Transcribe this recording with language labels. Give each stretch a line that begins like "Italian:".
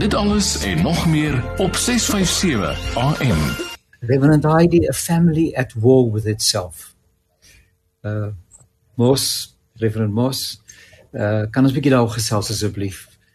Afrikaans: Dit alles en nog meer op 657 AM.
English: Reverend Heidi, a family at war with itself.
Afrikaans: Moss, Reverend Moss, kan ons bietjie daar gesels asseblief?